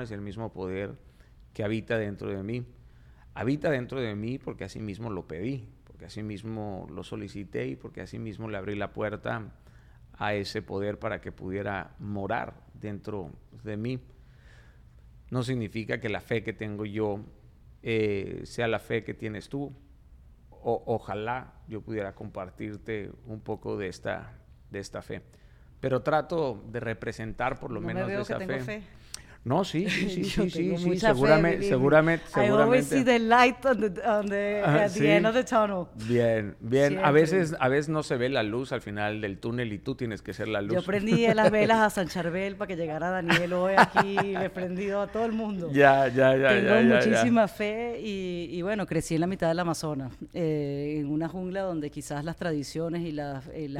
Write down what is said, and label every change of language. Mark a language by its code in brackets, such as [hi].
[es] Es el mismo poder que habita dentro de mí. Habita dentro de mí porque así mismo lo pedí, porque así mismo lo solicité, y porque así mismo le abrí la puerta a ese poder para que pudiera morar dentro de mí. No significa que la fe que tengo yo sea la fe que tienes tú. Ojalá yo pudiera compartirte un poco de esta fe. Pero trato de representar por lo menos esa fe. No, sí, sí, sí, sí, sí, seguramente. [en] I always see the light at the end of the tunnel. [es] Bien, bien. Siempre. A veces no se ve la luz al final del túnel y tú tienes que ser la luz. Yo prendí las velas a San Charbel para que llegara Daniel hoy aquí y le he prendido a todo el mundo. Tengo muchísima fe y bueno, crecí en la mitad del Amazonas, en una jungla donde quizás las tradiciones y las creencias...